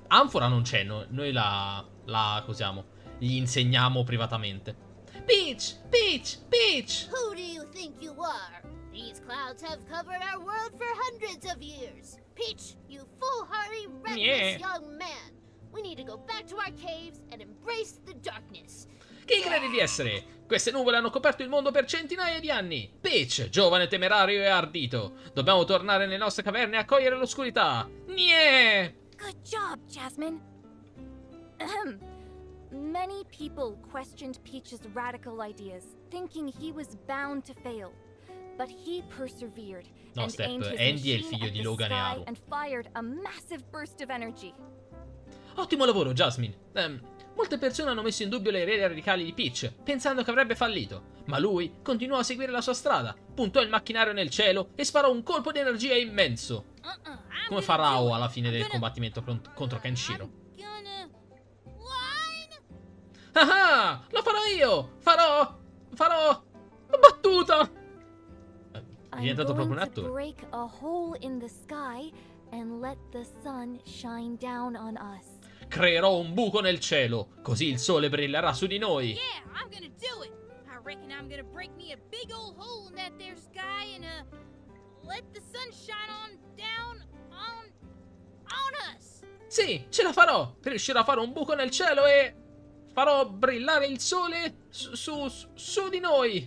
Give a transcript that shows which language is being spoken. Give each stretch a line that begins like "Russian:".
Italian: Anfora non c'è, no, noi la cosiamo, gli insegniamo privatamente.
English: Peach! Peach! Peach! Who do you think you are? These clouds have covered our world for hundreds of years. Peach, you foolhardy, reckless young man. We need to go back to our caves and embrace the darkness.
Italian: Chi credi di essere? Queste nuvole hanno coperto il mondo per centinaia di anni. Peach, giovane, temerario e ardito. Dobbiamo tornare nelle nostre caverne e accogliere l'oscurità. Nye!
English: Good job, Jasmine. Many people questioned Peach's radical ideas, thinking he was bound to fail. But he persevered.
Italian: No, Step, Andy è il figlio di Logan e Aru.
English: And fired a massive burst of energy.
Italian: Ottimo lavoro, Jasmine. Molte persone hanno messo in dubbio le idee radicali di Peach, pensando che avrebbe fallito. Ma lui continuò a seguire la sua strada, puntò il macchinario nel cielo e sparò un colpo di energia immenso. Come fa Rao alla fine del combattimento contro Kenshiro. Ah, lo farò io! Farò la battuta! È diventato proprio un attore.
English: Break a hole in the sky and let the sun shine down on us.
Italian: Creerò un buco nel cielo, così il sole brillerà su di noi.
English: Yeah, I'm gonna do it. I reckon I'm gonna break me a big old hole in that there sky and let the sun shine on down on us.
Italian: Sì, ce la farò. Riuscirò a fare un buco nel cielo e farò brillare il sole su di noi.